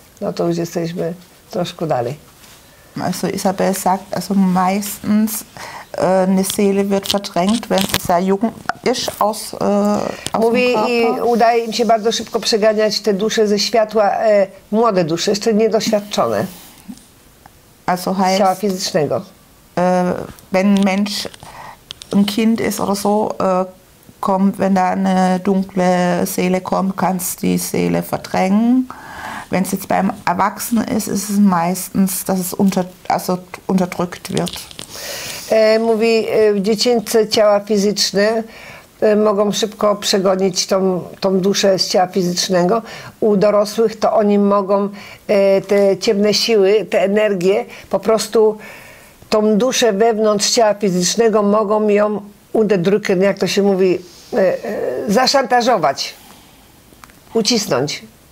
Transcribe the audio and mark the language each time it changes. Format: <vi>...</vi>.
<pl>No to już jesteśmy troszkę dalej.</pl> <de>Also Isabel sagt, also meistens eine Seele wird verdrängt, wenn sie sehr jung ist aus</de> <pl>mówi i udaje im się bardzo szybko przeganiać te dusze ze światła, młode dusze, jeszcze niedoświadczone.</pl> <de>Also heißt,</de> <pl>ciała fizycznego.</pl> <de>Wenn Mensch ein Kind ist oder so, kommt, wenn da eine dunkle Seele kommt, kannst die Seele verdrängen. Wenn es jetzt beim Erwachsenen ist, ist es meistens, dass es unterdrückt wird.</de> <pl>Mówi, w dziecięce ciała fizyczne mogą szybko przegonić tą duszę z ciała fizycznego. U dorosłych to oni mogą te ciemne siły, te energie, po prostu tą duszę wewnątrz ciała fizycznego mogą ją unterdrücken, jak to się mówi, zaszantażować, ucisnąć.</pl>